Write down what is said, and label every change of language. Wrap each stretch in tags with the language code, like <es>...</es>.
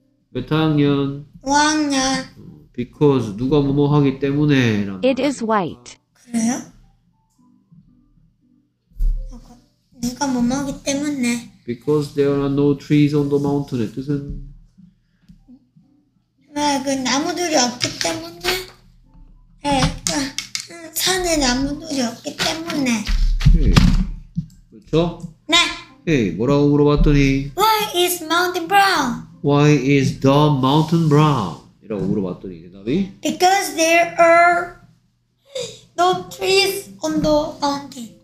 <ko>몇 학년? 5학년.</ko> <en>Because</en> <ko>누가 뭐뭐 하기 때문에.</ko> <en>It is white.</en> <ko>그래요? 누가 뭐뭐 하기 때문에.</ko> <en>Because there are no trees on the mountain.</en> <ko>뜻은? 왜 그 나무들이 없기 때문에? 네, 산에 나무들이 없기 때문에. 그렇죠? 네. 에이, 뭐라고 물어봤더니?</ko> <en>Why is mountain brown? Why is the mountain brown?</en> <ko>이라고 물어봤더니 대답이?</ko> <en>Because there are no trees on the mountain.</en>